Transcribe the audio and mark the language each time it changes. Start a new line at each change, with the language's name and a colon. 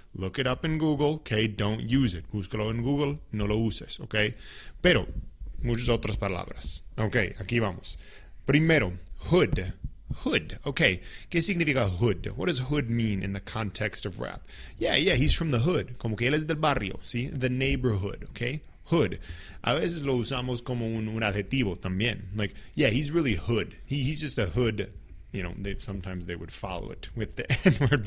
English: Look it up in Google, ok, don't use it.
Spanish: Búscalo en Google, no lo uses, ok. Pero, muchas otras palabras. Ok, aquí vamos. Primero, hood. Hood, ok. ¿Qué significa hood?
English: What does hood mean in the context of rap? Yeah, he's from the hood.
Spanish: Como que él es del barrio, ¿sí?
English: The neighborhood, ok. Hood.
Spanish: A veces lo usamos como un adjetivo también.
English: Like, yeah, he's really hood. He's just a hood. You know, sometimes they would follow it with the N-word.